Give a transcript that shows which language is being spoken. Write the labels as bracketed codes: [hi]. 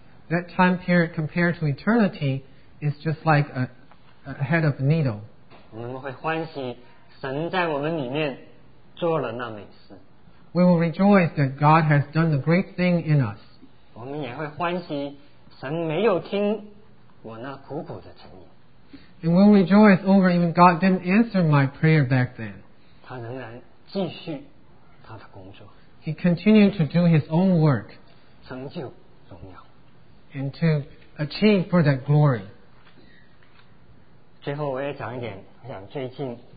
[en] that time period compared to eternity is just like a head of a needle. [zh] 我们会欢喜, 神在我们里面做了那美事, [en] we will rejoice that God has done the great thing in us. [zh] 我们也会欢喜神没有听我那苦苦的诚意, [en] and we will rejoice over even God didn't answer my prayer back then. [zh] 他仍然继续他的工作, [en] He continued to do His own work, [zh] 成就荣耀, [en] and to achieve for that glory. [zh] 最后我也讲一点, 我想最近